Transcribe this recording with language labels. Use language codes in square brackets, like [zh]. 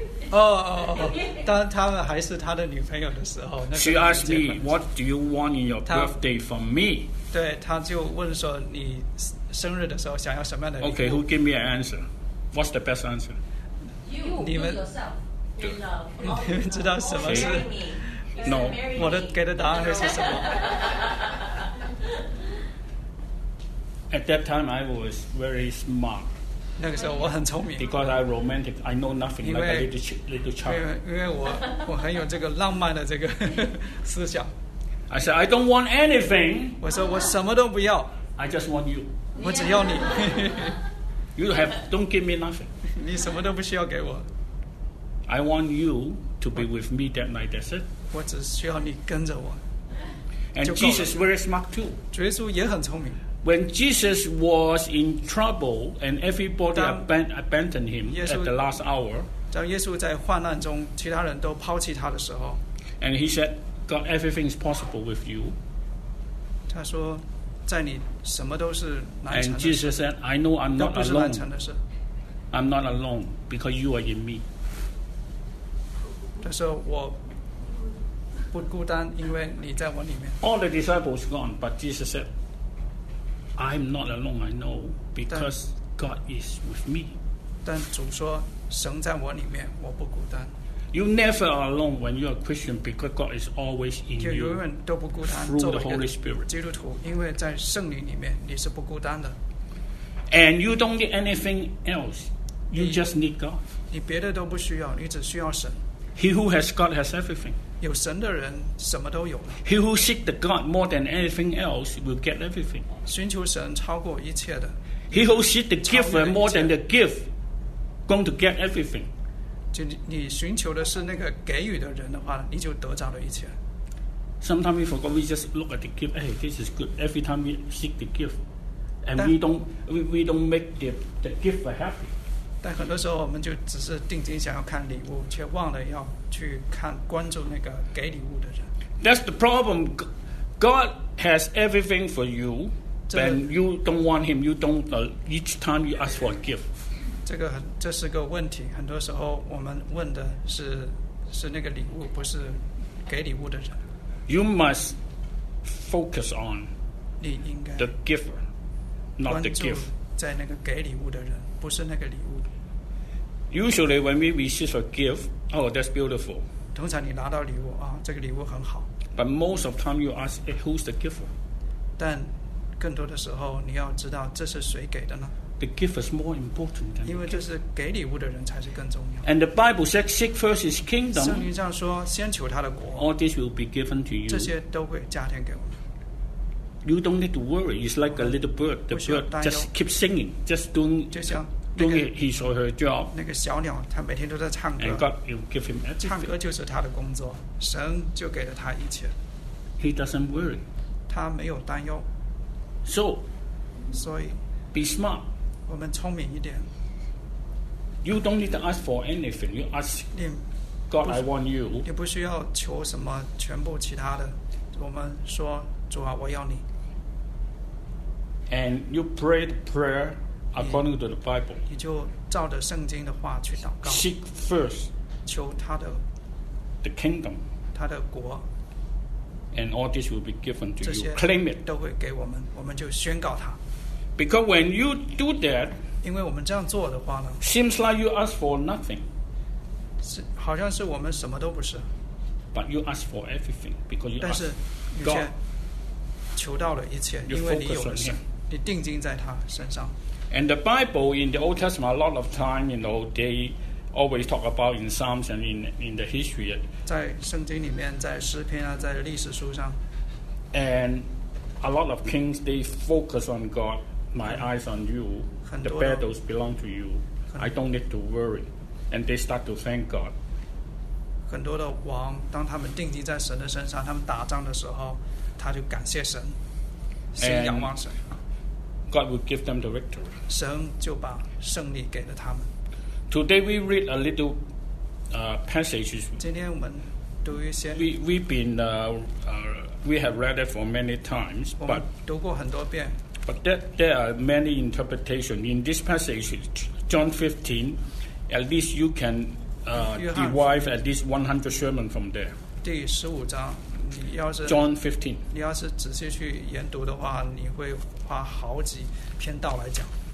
[zh] Oh, 当她们还是她的女朋友的时候 [en] She asked me, what do you want in your birthday from me? [zh] 对，她就问说你生日的时候想要什么样的礼物 [en] Okay, who give me an answer? What's the best answer? You, yourself. [zh] 你们知道什么是 [en] No. [zh] 我的给的答案会是什么 [en] At that time, I was very smart. [zh] 那个时候我很聪明 [en] Because I'm romantic, I know nothing like a little child [zh] 因为我很有这个浪漫的这个思想 [en] I said, I don't want anything [zh] 我说我什么都不要 [en] I just want you [zh] 我只要你 [en] You don't give me nothing [zh] 你什么都不需要给我 [en] I want you to be with me that night, that's it [zh] 我只需要你跟着我 [en] And Jesus is very smart too [zh] 主耶稣也很聪明 [en] When Jesus was in trouble and everybody abandoned him at the last hour, [zh] 当耶稣在患难中，其他人都抛弃他的时候 [en] ，and he said, "God, everything is possible with you." [zh] 他说，在你什么都是难成的事。 [en] And Jesus said, "I know I'm not alone. I'm not alone because you are in me." [zh] 他说我不孤单，因为你在我里面。 [en] All the disciples gone, but Jesus said, I'm not alone, I know, because God is with me. [zh] 但主说神在我里面，我不孤单。 [en] You never are alone when you are Christian, because God is always in you. [zh] 就永远都不孤单。 [en] Through the Holy Spirit. [zh] 基督徒，因为在圣灵里面，你是不孤单的。 [en] And you don't need anything else. You just need God. [zh] 你别的都不需要，你只需要神。 [en] He who has God has everything. [zh] 有神的人什么都有。 [en] He who seek the God more than anything else will get everything. [zh] 寻求神超过一切的。 [en] He who seek the gift more than the gift. Going to get everything. [zh] 就你寻求的是那个给予的人的话，你就得着了一切。 [en] Sometimes we forget, we just look at the gift. Hey, this is good. Every time we seek the gift, and we don't make the gift happy. [zh] 但很多时候我们就只是定睛想要看礼物，却忘了要去看关注那个给礼物的人。 [en] That's the problem. God has everything for you, and you don't want Him. You don't. Each time you ask for a gift. [zh] 这是个问题，很多时候我们问的 是那个礼物，不是给礼物的人。 [en] You must focus on [zh] 你应该 [en] the giver, not the gift. [zh] 在那个给礼物的人，不是那个礼物。 [en] Usually when we receive a gift, oh, that's beautiful. [zh] 通常你拿到礼物啊，这个礼物很好。 [en] But most of time you ask, hey, who's the giver? [zh] 但更多的时候，你要知道这是谁给的呢？ [en] The gift is more important than. [zh] 因为就是给礼物的人才是更重要。 [en] And the Bible says, "Seek first His kingdom." [zh] 圣经上说，先求他的国。 [en] All this will be given to you. [zh] 这些都会加添给我们。 [en] You don't need to worry. It's like a little bird. The bird just keep singing, just doing his or her job. [zh] 那个小鸟，他每天都在唱歌。 [en] And God will give him everything. [zh] 唱歌就是他的工作，神就给了他一切。 [en] He doesn't worry. [zh] 他没有担忧。 [en] So, be smart. [zh] 我们聪明一点。 [en] You don't need to ask for anything. You ask God, I want you. [zh] 你不需要求什么，全部其他的。我们说，主啊，我要你。 [en] And you pray the prayer according to the Bible. [zh] 你就照着圣经的话去祷告。 [en] Seek first. [zh] 求他的。 [en] The kingdom. [zh] 他的国。 [en] And all this will be given to you. Claim it. [zh] 都会给我们，我们就宣告他。 [en] Because when you do that, [zh] 因为我们这样做的话呢, [en] seems like you ask for nothing. [zh] 是, 好像是我们什么都不是。 [en] But you ask for everything because you ask God. [zh] 但是你求到了一切, 因为你有了神, 你定睛在他身上。 [en] And the Bible in the Old Testament, a lot of time, you know, they always talk about in Psalms and in the history. [zh] 在圣经里面, 在诗篇啊, 在历史书上。 [en] And a lot of kings, they focus on God. My eyes on you. The battles belong to you. I don't need to worry. And they start to thank God. [zh] 很多的王，当他们定睛在神的身上，他们打仗的时候，他就感谢神，心仰望神。 [en] God will give them the victory. [zh] 神就把胜利给了他们。 [en] Today we read a little passages. [zh] 今天我们读一些。 [en] We have read it for many times, but [zh] 读过很多遍。 [en] But there are many interpretations in this passage, John 15. At least you can derive at least 100 sermons from there. [zh] 第十五章，你要是 [en] John 15， [zh] 你要是仔细去研读的话，你会花好几篇道来讲。